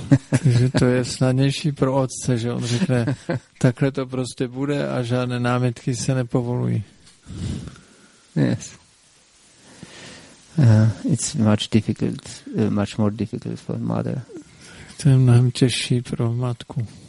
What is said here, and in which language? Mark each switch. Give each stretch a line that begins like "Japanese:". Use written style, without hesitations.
Czech: Takže to je snadnější pro otce, že on řekne, takhle to prostě bude a žádné námitky se nepovolují.
English: Yes. It's much difficult, much more difficult for mother.
Czech: To je mnohem těžší pro matku.